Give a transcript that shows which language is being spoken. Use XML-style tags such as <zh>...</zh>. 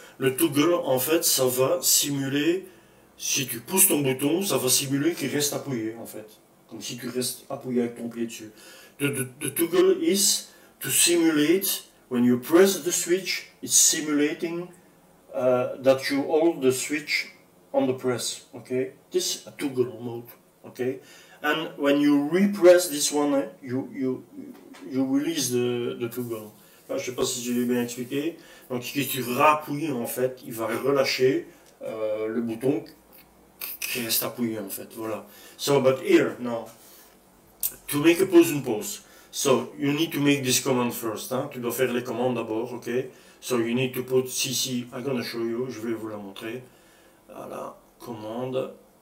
<fr>Le toggle, en fait, ça va simuler, si tu pousses ton bouton, ça va simuler qu'il reste appuyé, en fait. Comme si tu restes appuyé avec ton pied dessus.</fr> <en>The toggle is to simulate, when you press the switch, it's simulating that you hold the switch on the press, okay? This is a toggle mode, okay? And when you repress this one, you release the toggle.</en> <fr>Enfin, je sais pas si j'ai bien expliqué. Donc, si tu rappuies, en fait, il va relâcher le bouton qui reste appuyé, en fait. Voilà.</fr> <en>So, but here, now, to make a pause and pause. So, you need to make this command first.</en> <fr>Hein? Tu dois faire les commandes d'abord, ok?</fr> <en>So, you need to put CC. I'm gonna show you.</en> <fr>Je vais vous la montrer. Voilà. Commande.</fr>